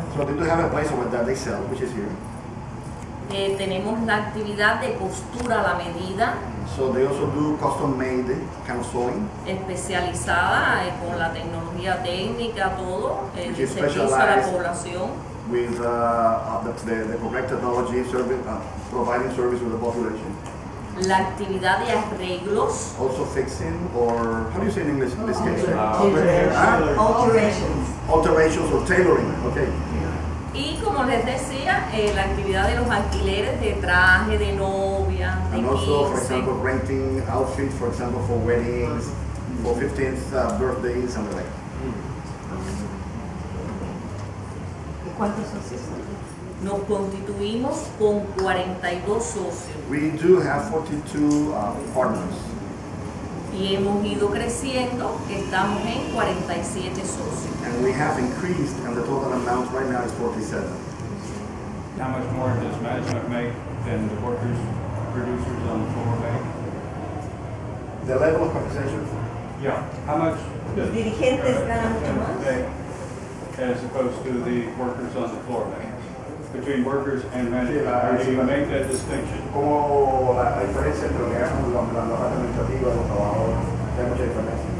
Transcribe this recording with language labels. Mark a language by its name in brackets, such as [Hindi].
[English] So they do have a place where they sell, which is here. [Spanish] Tenemos la actividad de costura a la medida. [English] So they also do custom-made kind of sewing. [Spanish] Especializada con la tecnología técnica, todo. [English] Which is specialized [Spanish] a la población. [English] With the correct technology service, providing service to the population. [Spanish] La actividad de arreglos. [English] Also fixing, or how do you say in English? In this case? Alterations. Alterations or tailoring, okay. [Spanish] Y como les decía, la actividad de los alquileres de traje, de novia, de [English] and also, for example, renting outfits, for example, for weddings, for 15th birthday, something like that. [Spanish] ¿Cuántos socios? Nos constituimos con 42 socios. [English] We do have 42 partners. [Spanish] Y hemos ido creciendo, estamos en 47 socios. [English] And we have increased, and the total amount right now is 47. How much more does management make than the workers, producers on the former bank? The level of compensation? Yeah. How much? [Spanish] Los dirigentes ganan mucho más. [English] As opposed to the workers on the floor bank. Between workers and management, how do you make that distinction? [Spanish] Como la diferencia entre lo que hacen los empleados administrativos y los trabajadores, hay mucha diferencia.